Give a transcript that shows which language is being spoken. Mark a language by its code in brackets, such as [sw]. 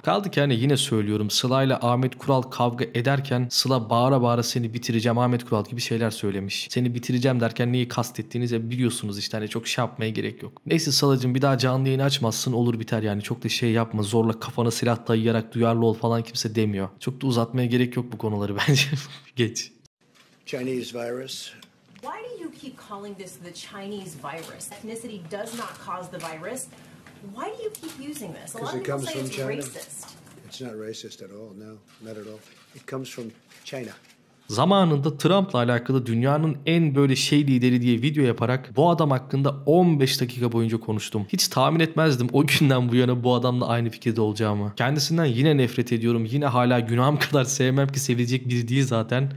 [tr] Kaldı ki hani yine söylüyorum, Sıla ile Ahmet Kural kavga ederken Sıla bağıra bağıra seni bitireceğim Ahmet Kural gibi şeyler söylemiş. Seni bitireceğim derken neyi kastettiğinizi biliyorsunuz işte, hani çok şey yapmaya gerek yok. Neyse Salacığım, bir daha canlı yayını açmazsın, olur biter yani, çok da şey yapma, zorla kafana silah dayayarak duyarlı ol falan kimse demiyor. Çok da uzatmaya gerek yok bu konuları bence. Geç. [en] Chinese virus. Why do you keep calling this the Chinese virus? Ethnicity does not cause the virus. Why do you keep using this? A lot of people say it's China. Racist. It's not racist at all, no, not at all. It comes from China. [tr] Zamanında Trump'la alakalı dünyanın en böyle şey lideri diye video yaparak bu adam hakkında 15 dakika boyunca konuştum. Hiç tahmin etmezdim o günden bu yana bu adamla aynı fikirde olacağımı. Kendisinden yine nefret ediyorum. Yine hala günahım kadar sevmem ki, sevecek biri değil zaten.